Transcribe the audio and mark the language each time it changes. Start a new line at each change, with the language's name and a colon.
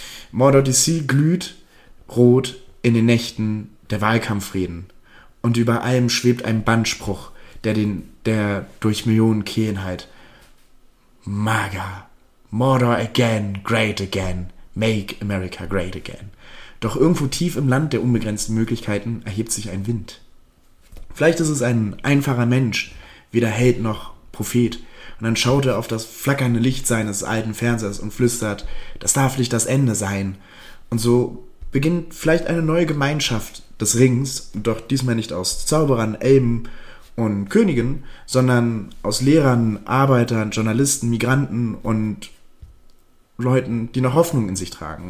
German: Mordor DC glüht rot in den Nächten der Wahlkampfreden. Und über allem schwebt ein Bandspruch, der durch Millionen Kehlen heilt.
English: MAGA. Mordor again, great again. Make America great again.
German: Doch irgendwo tief im Land der unbegrenzten Möglichkeiten erhebt sich ein Wind. Vielleicht ist es ein einfacher Mensch, weder Held noch Prophet. Und dann schaut er auf das flackernde Licht seines alten Fernsehers und flüstert: Das darf nicht das Ende sein. Und so beginnt vielleicht eine neue Gemeinschaft des Rings, doch diesmal nicht aus Zauberern, Elben und Königen, sondern aus Lehrern, Arbeitern, Journalisten, Migranten und Leuten, die eine Hoffnung in sich tragen.